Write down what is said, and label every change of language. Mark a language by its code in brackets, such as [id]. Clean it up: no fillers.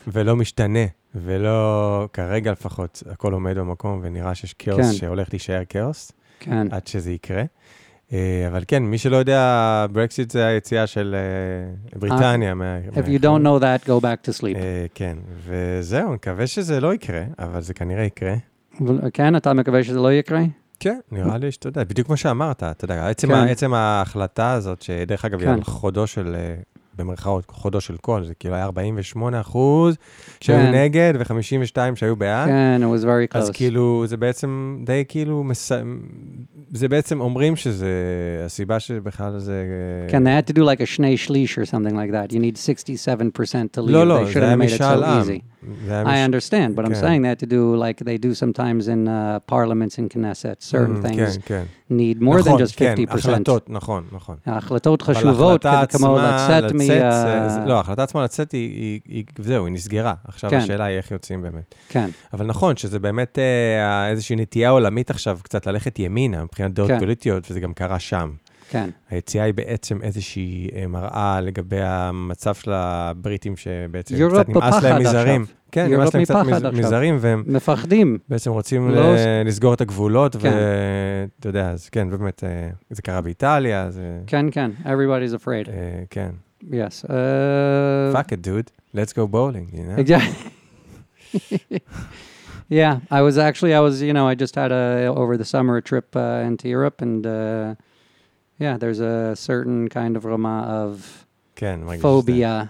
[he] ולא משתנה, ולא, כרגע לפחות, הכל עומד במקום, ונראה שיש כאוס שהולך להישאר כאוס, עד שזה יקרה. אבל כן, מי שלא יודע, ברקסיט זה היציאה של בריטניה. [en] If you don't know that, go back to sleep. [he] כן, וזהו, אני מקווה שזה לא יקרה, אבל זה כנראה יקרה. כן, אתה מקווה שזה לא יקרה? כן, נראה לי שאתה יודע, בדיוק כמו שאמרת, אתה יודע, עצם ההחלטה הזאת, שדרך אגב, היא על חודו של, במרכאות, חודו של קול, זה כאילו היה 48% שהיו נגד, ו-52% שהיו בעד. כן, [en] it was very close. [he] אז כאילו, זה בעצם די כאילו, זה בעצם אומרים שזה, הסיבה שבכלל זה... כן, [en] they had to do like a [he] שני שליש [en] or something like that. You need 67% to leave. [he] לא, זה היה משאל עם. [en] I understand, but I'm saying they had to do like they do sometimes in parliaments and Knesset. Certain things need more than just 50%. [he] נכון, כן, נכון, נכון. ההחלטות חשובות, כמו לצאת מ... לא, ההחלטה עצמה לצאת היא, זהו, היא נסגרה. עכשיו השאלה היא איך יוצאים באמת. כן. אבל נכון, שזה באמת איזושהי נטייה עולמית עכשיו, קצת ללכת ימינה, מבחינת דעות פוליטיות, וזה גם קרה שם. כן. היציאה היא בעצם איזושהי מראה לגבי המצב של הבריטים שבעצם קצת נמאס להם מזרים. עכשיו. כן, נמאס להם קצת מזרים. והם מפחדים. בעצם רוצים לסגור את הגבולות, ואתה יודע, אז כן, באמת, זה קרה באיטליה, אז... כן, כן, [en] everybody's afraid. [he] כן. [en] Yes. Fuck it, dude. Let's go bowling, you know? Yeah. Yeah, I was, you know, I just had over the summer a trip into Europe, and... Yeah, there's a certain kind of Roma of phobia.